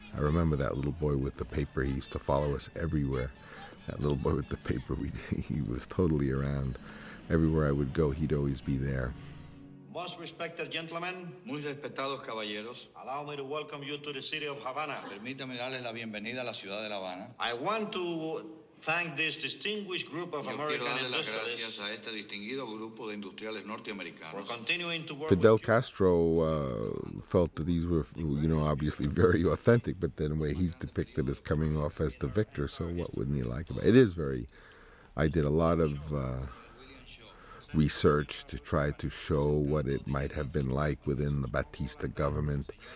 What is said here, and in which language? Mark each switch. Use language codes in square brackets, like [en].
[en] I remember that little boy with the paper. He used to follow us everywhere. That little boy with the paper, he was totally around. Everywhere I would go, he'd always be there. Most respected gentlemen, [es] muy respetados caballeros, [en] allow me to welcome you to the city of Havana. [es] Permítame darles la bienvenida a la ciudad de La Habana. [en] I want to thank this distinguished group of American industrialists. [es] Yo quiero darles las gracias a este distinguido grupo de industriales norteamericanos. [en] For continuing to work. Fidel Castro felt that these were, you know, obviously very authentic, but then the way he's depicted as coming off as the victor, so what wouldn't he like about it? It is very. I did a lot of research to try to show what it might have been like within the Batista government.